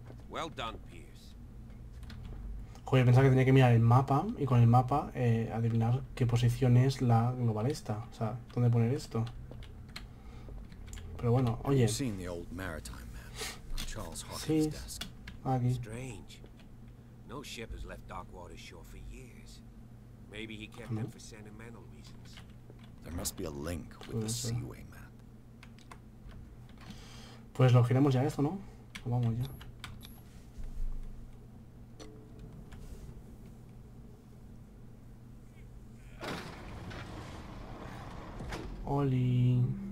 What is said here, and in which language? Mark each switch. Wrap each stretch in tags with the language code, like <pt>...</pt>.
<en>Well done, Pierce.</en> <es>Joder, pensaba que tenía que mirar el mapa y con el mapa adivinar qué posición es la global esta. O sea, ¿dónde poner esto? Pero bueno, oye. ¿Has visto el</es> <en>old maritime map? Charles Hawkins' desk.</en> <es>Aquí.</es> <en>Strange. No ship has left Darkwater shore for years. Maybe he kept them for sentimental reasons. There must be a link with the seaway map.</en> <es>Pues lo giremos ya esto, ¿no? Vamos ya. Oli.</es>